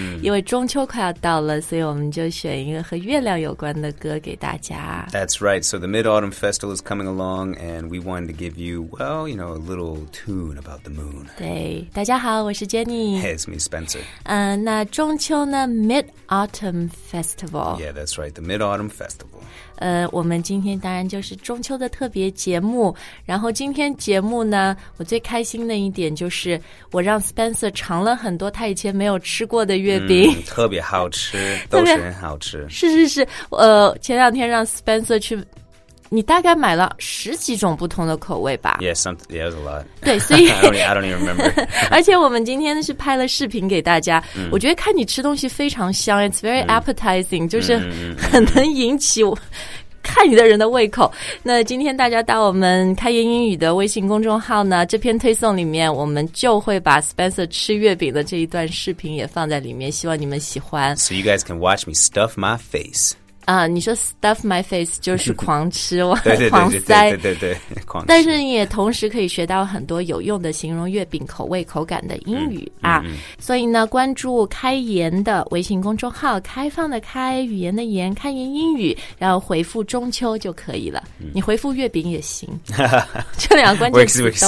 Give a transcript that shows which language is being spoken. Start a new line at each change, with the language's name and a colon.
Chinese: 因为中秋快要到了，所以我们就选一个和月亮有关的歌给大家。
English: That's right. So the Mid-Autumn Festival is coming along, and we wanted to give you, well, you know, a little tune about the moon.
Chinese: 对，大家好，我是 Jenny.
English: Hey, it's me, Spencer.
Chinese: 那中秋呢 ，
English: Mid-Autumn Festival. Yeah, that's right. The Mid-Autumn Festival.
Chinese: 我们今天当然就是中秋的特别节目，然后今天节目呢，我最开心的一点就是我让 Spencer 尝了很多他以前没有吃过的月饼，特别好吃，都是很好吃。是是是，前两天让 Spencer 去，你大概买了十几种不同的口味吧？
English: Yeah, it was a lot.
Chinese: 对，所以
English: I don't even remember.
Chinese: 而且我们今天是拍了视频给大家，我觉得看你吃东西非常香，
English: it's very appetizing,
Chinese: 就是很能引起我看你的人的胃口。那今天大家到我们开言英语的微信公众号呢，这篇推送里面我们就会把 Spencer 吃月饼的这一段视频也放在里面，希望你们喜欢。
English: So you guys can watch me stuff my face.
Chinese: 你说
English: stuff my face
Chinese: 就是狂吃狂塞，对对对，狂吃，但是也同时可以学到很多有用的形容月饼口味口感的英语啊。所以呢，关注开言的微信公众号，开放的开，语言的言，开言英语，然后回复中秋就可以了，你回复月饼也行，这两个关键词都